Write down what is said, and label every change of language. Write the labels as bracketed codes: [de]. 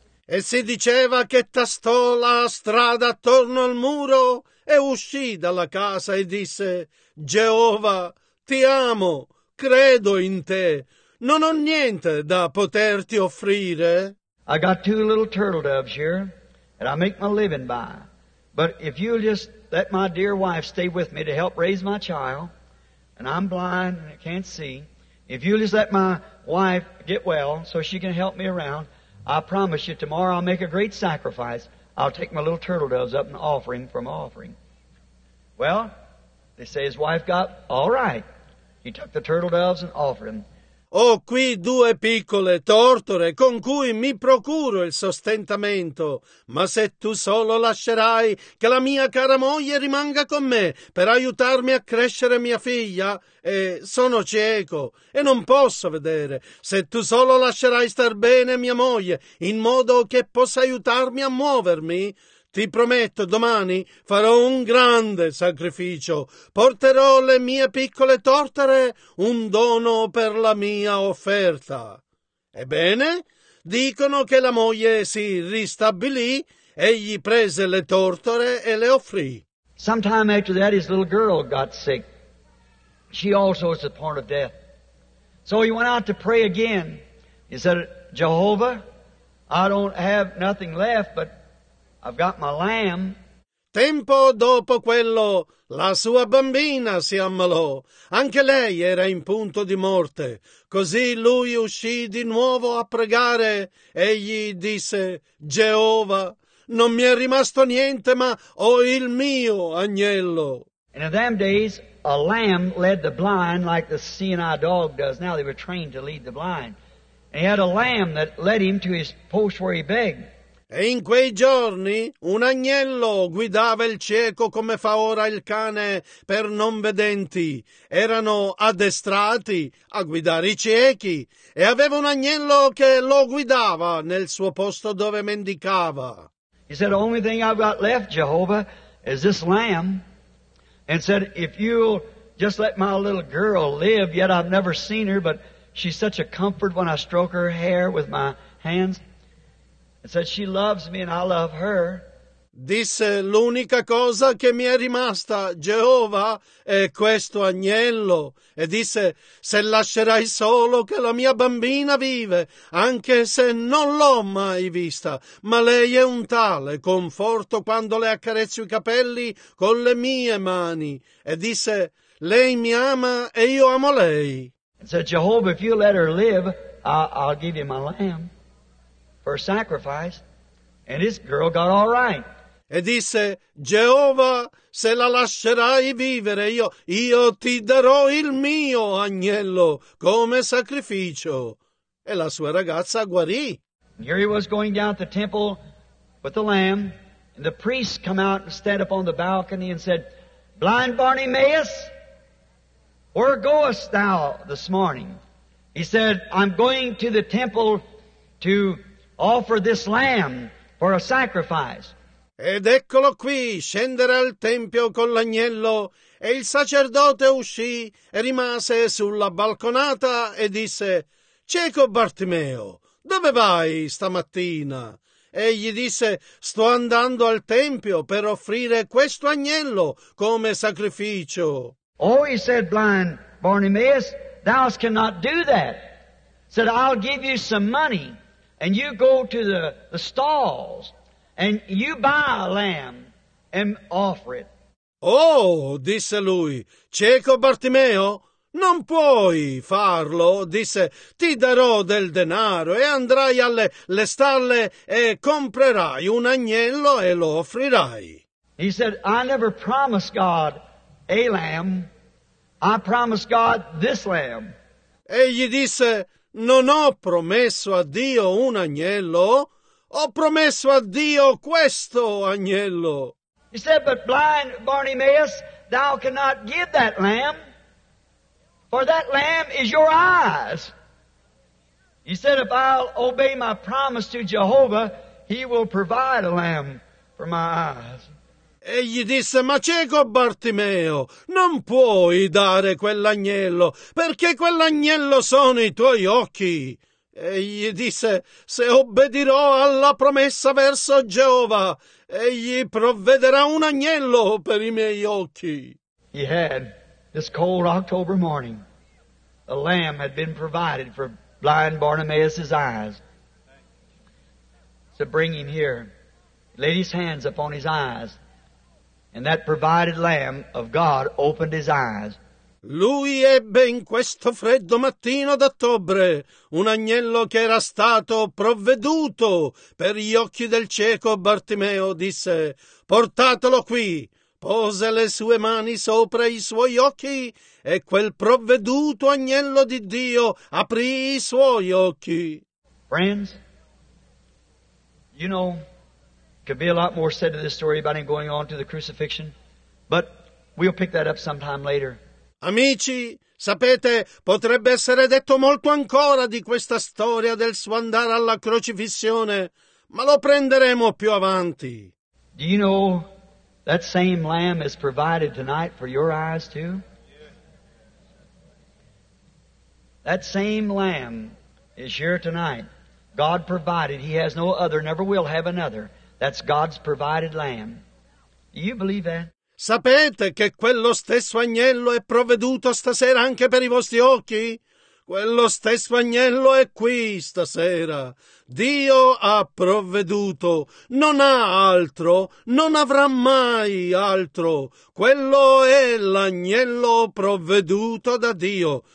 [it] E si diceva che tastò la strada attorno al muro e uscì dalla casa e disse, Geova, ti amo, credo in te, non ho niente da poterti offrire. [en] I got two little turtle doves here that I make my living by, but if you'll just let my dear wife stay with me to help raise my child, and I'm blind and I can't see, if you'll just let my wife get well so she can help me around, I promise you, tomorrow I'll make a great sacrifice. I'll take my little turtle doves up and offer him from offering. Well, they say his wife got all right. He took the turtle doves and offered him. [it] Ho qui due piccole tortore con cui mi procuro il sostentamento, ma se tu solo lascerai che la mia cara moglie rimanga con me per aiutarmi a crescere mia figlia, e sono cieco e non posso vedere, se tu solo lascerai star bene mia moglie in modo che possa aiutarmi a muovermi, ti prometto, domani farò un grande sacrificio. Porterò le mie piccole tortore, un dono per la mia offerta. Ebbene, dicono che la moglie si ristabilì, egli prese le tortore e le offrì. [en] Sometime after that, his little girl got sick. She also was at the point of death. So he went out to pray again. He said, Jehovah, I don't have nothing left, but I've got my lamb. [it] Tempo dopo quello, la sua bambina si ammalò. Anche lei era in punto di morte. Così lui uscì di nuovo a pregare. Egli disse, Geova, non mi è rimasto niente, ma ho il mio agnello. [en] And in them days, a lamb led the blind like the C&I dog does. Now they were trained to lead the blind. And he had a lamb that led him to his post where he begged. [it] E in quei giorni un agnello guidava il cieco come fa ora il cane per non vedenti. Erano addestrati a guidare i ciechi e aveva un agnello che lo guidava nel suo posto dove mendicava. [en] He said, "The only thing I've got left, Jehovah, is this lamb." And said, "If you'll just let my little girl live, yet I've never seen her, but she's such a comfort when I stroke her hair with my hands." It said, she loves me and I love her. [it] Disse, l'unica cosa che mi è rimasta, Geova, è questo agnello. E disse, se lascerai solo che la mia bambina vive, anche se non l'ho mai vista, ma lei è un tale conforto quando le accarezzo i capelli con le mie mani. E disse, lei mi ama e io amo lei. [en] It said, Jehovah, if you let her live, I'll give you my lamb for a sacrifice. And this girl got all right. [it] E disse, Geova, se la lascerai vivere, io ti darò il mio agnello come sacrificio. E la sua ragazza guarì. [en] And here he was going down to the temple with the lamb, and the priest come out and stand up on the balcony and said, Blind Bartimaeus, where goest thou this morning? He said, I'm going to the temple to offer this lamb for a sacrifice. [it] Ed eccolo qui, scendere al tempio con l'agnello. E il sacerdote uscì e rimase sulla balconata e disse, Cieco Bartimeo, dove vai stamattina? Egli disse, sto andando al tempio per offrire questo agnello come sacrificio. [en] Oh, he said, blind Bartimaeus, thou cannot do that. He said, I'll give you some money, and you go to the stalls, and you buy a lamb and offer it. [it] Oh, disse lui, cieco Bartimeo, non puoi farlo, disse, ti darò del denaro e andrai alle stalle e comprerai un agnello e lo offrirai. [en] He said, I never promised God a lamb, I promised God this lamb. [it] Egli disse, non ho promesso a Dio un agnello, ho promesso a Dio questo agnello. [en] He said, but blind Bartimaeus, thou cannot give that lamb. For that lamb is your eyes. He said, if I'll obey my promise to Jehovah, he will provide a lamb for my eyes. [it] Egli disse, ma cieco Bartimeo, non puoi dare quell'agnello, perché quell'agnello sono i tuoi occhi. Egli disse, se obbedirò alla promessa verso Geova, egli provvederà un agnello per i miei occhi. [en] He had this cold October morning. A lamb had been provided for blind Bartimaeus' eyes. So bring him here. Laid his hands upon his eyes. And that provided lamb of God opened his eyes. [it] Lui ebbe in questo freddo mattino d'ottobre un agnello che era stato provveduto per gli occhi del cieco Bartimeo. Disse, portatelo qui. Pose le sue mani sopra i suoi occhi e quel provveduto agnello di Dio aprì i suoi occhi. [en] Friends, you know, could be a lot more said to this story about him going on to the crucifixion, but we'll pick that up sometime later. [it] Amici, sapete, potrebbe essere detto molto ancora di questa storia del suo andare alla crocifissione, ma lo prenderemo più avanti. [en] Do you know, that same lamb is provided tonight for your eyes too? That same lamb is here tonight. God provided. He has no other, never will have another. That's God's provided lamb. Do you believe that? [it] Sapete che quello stesso agnello è provveduto stasera anche per i vostri occhi? Quello stesso agnello è qui stasera. Dio ha provveduto. Non ha altro. Non avrà mai altro. Quello è l'agnello provveduto da Dio.